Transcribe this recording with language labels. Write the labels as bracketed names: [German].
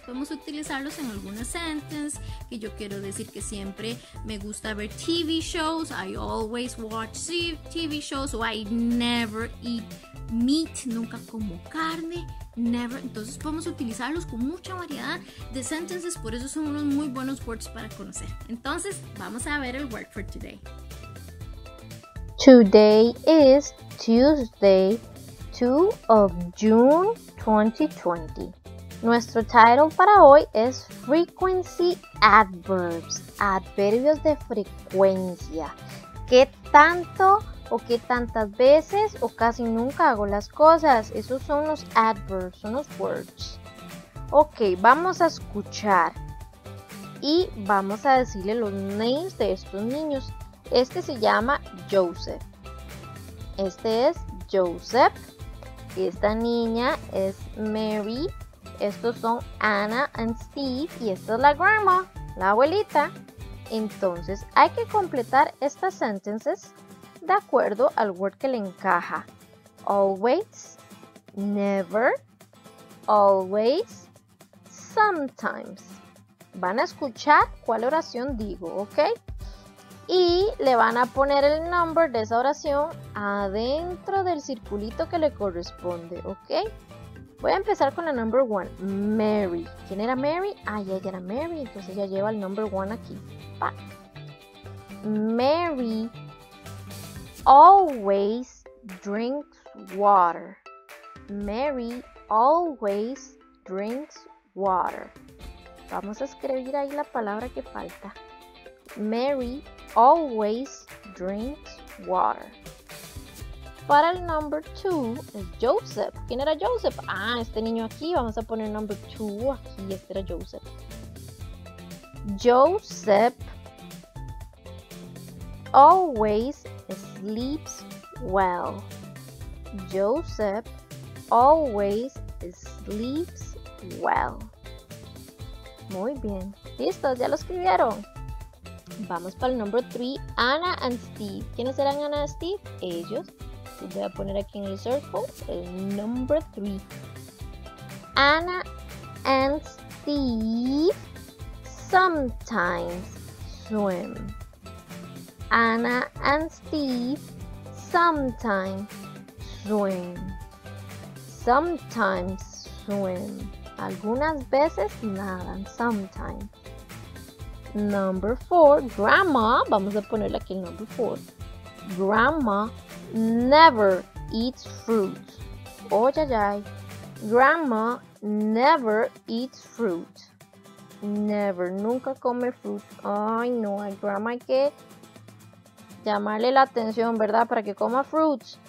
[Spanish] Podemos utilizarlos en alguna sentence. Que yo quiero decir que siempre me gusta ver TV shows. [English] I always watch TV shows. O I never eat meat. [Spanish] Nunca como carne. [English] Never. [Spanish] Entonces, podemos utilizarlos con mucha variedad de sentences. Por eso son unos muy buenos words para conocer. Entonces, vamos a ver el [English] word for today. Today is Tuesday, 2 of June 2020. [Spanish] Nuestro title para hoy es [English] Frequency Adverbs, [Spanish] adverbios de frecuencia. ¿Qué tanto o qué tantas veces o casi nunca hago las cosas? Esos son los adverbs, son los words. Ok, vamos a escuchar y vamos a decirle los names de estos niños. Este se llama Joseph. Este es Joseph. Esta niña es Mary. Estos son Anna and Steve. Y esta es la grandma, la abuelita. Entonces, hay que completar estas sentences de acuerdo al word que le encaja. [English] Always, never, always, sometimes. [Spanish] Van a escuchar cuál oración digo, ¿ok? Y le van a poner el number de esa oración adentro del circulito que le corresponde, ¿ok? Voy a empezar con la [English] number one, [Spanish] Mary. ¿Quién era Mary? Ay, ella era Mary, entonces ella lleva el number one aquí. Pa. [English] Mary always drinks water. Mary always drinks water. [Spanish] Vamos a escribir ahí la palabra que falta. [English] Mary always drinks water. [Spanish] Para el [English] number two [Spanish] es Joseph. ¿Quién era Joseph? Ah, este niño aquí. Vamos a poner [English] number two [Spanish] aquí. Este era Joseph. [English] Joseph always sleeps well. Joseph always sleeps well. [Spanish] Muy bien. ¿Listos? ¿Ya lo escribieron? Vamos para el [English] number 3, [Spanish] Anna and Steve. ¿Quiénes eran Anna y Steve? Ellos. Voy a poner aquí en el circle el [English] number 3. Anna and Steve sometimes swim. Anna and Steve sometimes swim. Sometimes swim. [Spanish] Algunas veces nadan. [English] Sometimes. [Spanish] Number 4, grandma, vamos a ponerle aquí el [English] number 4. Grandma never eats fruit. Oh, [Spanish] ya, ya. [English] Grandma never eats fruit. Never, [Spanish] nunca come fruit. Ay, no, ay, grandma, hay que llamarle la atención, ¿verdad? Para que coma fruit.